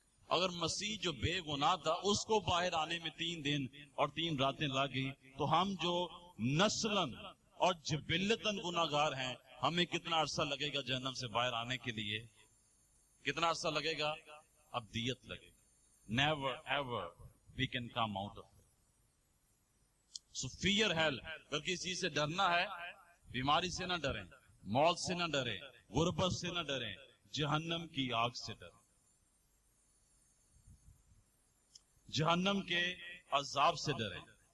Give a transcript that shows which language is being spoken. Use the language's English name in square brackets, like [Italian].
[Urdu] اگر مسیح جو بے گناہ تھا اس کو باہر آنے میں 3 دن اور 3 راتیں لگ گئیں، تو ہم جو نسلن اور جبلتن گناہگار ہیں ہمیں کتنا عرصہ لگے گا جہنم سے باہر آنے کے لیے؟ کتنا عرصہ لگے گا؟ ابدیت لگے گا. [English] Never ever we can come out of it. So fear hell. [Urdu] اگر کسی سے ڈرنا ہے، بیماری سے نہ ڈریں، موت سے نہ ڈریں، غربت سے نہ ڈریں، جہنم کی آگ سے ڈریں، جہنم کے عذاب سے ڈریں.